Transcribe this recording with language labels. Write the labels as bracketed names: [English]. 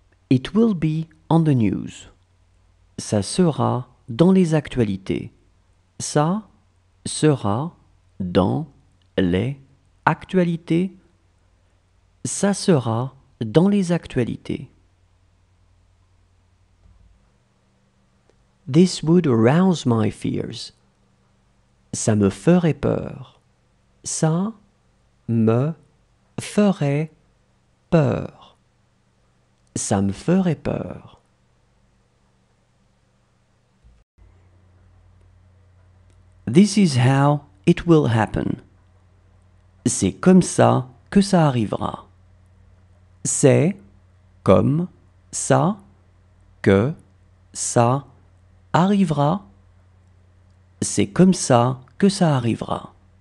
[English] It will be on the news. [French] Ça sera dans les actualités. Ça sera dans les actualités. Ça sera dans les actualités. [English] This would arouse my fears. [French] Ça me ferait peur. Ça me ferait peur. Ça me ferait peur. [English] This is how it will happen. [French] C'est comme ça que ça arrivera. C'est comme ça que ça arrivera. C'est comme ça que ça arrivera.